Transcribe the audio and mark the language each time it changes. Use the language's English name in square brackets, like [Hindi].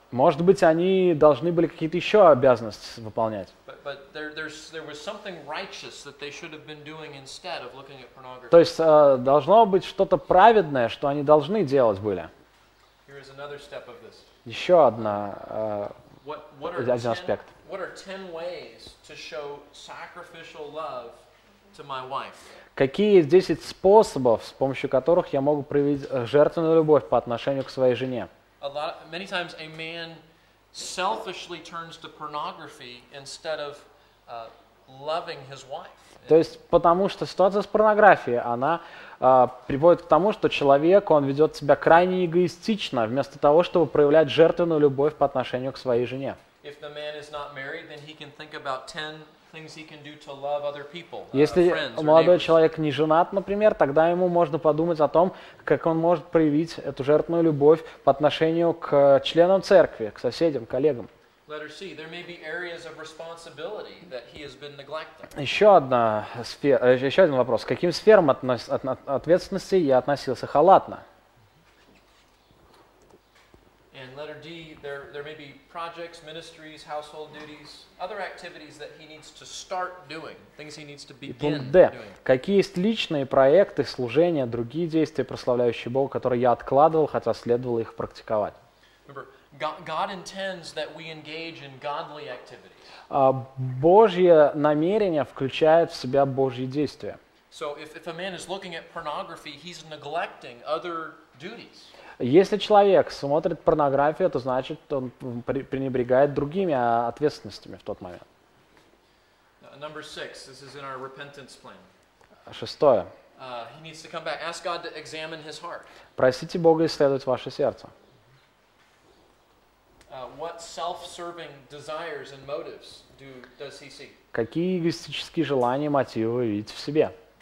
[Russian] Может быть, они должны были какие-то еще обязанности выполнять. То есть должно быть что-то праведное, что они должны делать были. [English] Here is another step of this. [Russian] Еще одна, один аспект. [English] What are 10 ways to show sacrificial love to my wife? [Russian] Какие 10 способов, с помощью которых я могу проявить жертвенную любовь по отношению к своей жене? [English] many times a man selfishly turns to pornography instead of loving his wife. [Russian] То есть потому что ситуация с порнографией, она приводит к тому, что человек, он ведет себя крайне эгоистично, вместо того, чтобы проявлять жертвенную любовь по отношению к своей жене. [English] If the man is not married, then he can think about 10 things he can do to love other people. [Russian] Если молодой человек не женат, например, тогда ему можно подумать о том, как он может проявить эту жертвенную любовь по отношению к членам церкви, к соседям, коллегам. [English] Letter C. There may be areas of responsibility that he has been neglecting. [Russian] Еще один вопрос. К каким сферам ответственности я относился халатно? [English] And letter D. There may be projects, ministries, household duties, other activities that he needs to start doing, things he needs to begin doing. [Russian] Какие есть личные проекты, служения, другие действия, прославляющие Бога, которые я откладывал, хотя следовало их практиковать? [English] Remember, God intends that we engage in godly activities. [Russian] Божье намерение включает в себя Божьи действия. [English] So if a man is looking at pornography, he's neglecting other duties. [Russian] Если человек смотрит порнографию, то значит, он пренебрегает другими ответственностями в тот момент. [English] Number six. This is in our repentance plan. [Russian] Шестое. [English] He needs to come back. Ask God to examine his heart. [Russian] Просите Бога исследовать ваше сердце. [English] What self-serving desires and motives does he see? [Russian] Какие эгоистические желания, мотивы вы видите в себе?